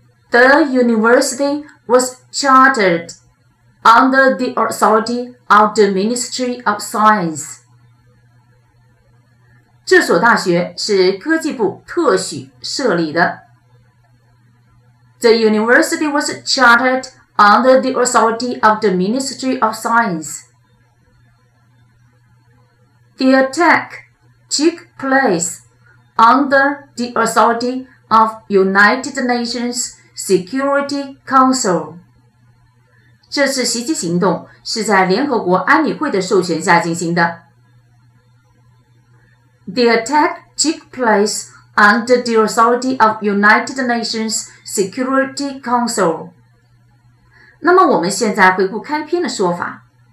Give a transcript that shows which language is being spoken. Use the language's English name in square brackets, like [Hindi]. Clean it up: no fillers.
[English] The university was chartered under the authority of the Ministry of Science. [Chinese] 这所大学是科技部特许设立的。 [English] The university was chartered under the authority of the Ministry of Science. The attack took place under the authority of United Nations Security Council. [Chinese] 这次袭击行动是在联合国安理会的授权下进行的。 [English] The attack took place under the authority of United Nations Security Council. [Chinese] 那么我们现在回顾开篇的说法。